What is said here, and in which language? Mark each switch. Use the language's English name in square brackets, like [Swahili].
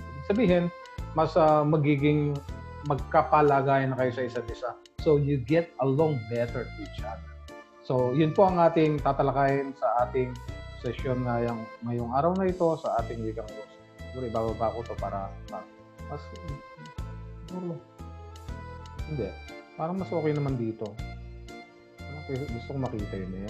[Filipino] Sabihin, mas magiging magkapalagayan na kayo sa isa't isa. [English] So, you get along better to each other. [Filipino] So, yun po ang ating tatalakayin sa ating session ngayong araw na ito sa ating Wikang Ruso. Siguro, ibababa ko ito para mas hindi. Parang mas okay naman dito. Okay, gusto ko makita yun eh.